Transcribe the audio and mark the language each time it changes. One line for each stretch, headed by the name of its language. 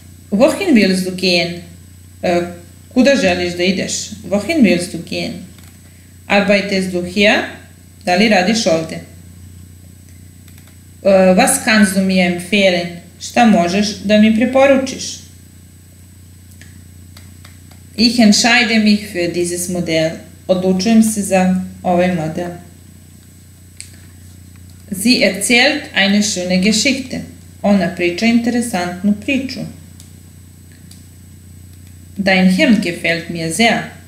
German: Wohin willst du gehen?
Serbian: Kuda želiš da ideš?
German: Wohin willst du gehen? Arbeitest du hier?
Serbian: Da li radiš ovde?
German: Was kannst du mir empfehlen?
Serbian: Šta možeš da mi preporučiš?
German: Ich entscheide mich für dieses Modell.
Serbian: odlučujem se za ovaj model.
German: Sie erzählt eine schöne Geschichte.
Serbian: Ona priča interesantnu priču.
German: Dein Hemd gefällt mir sehr.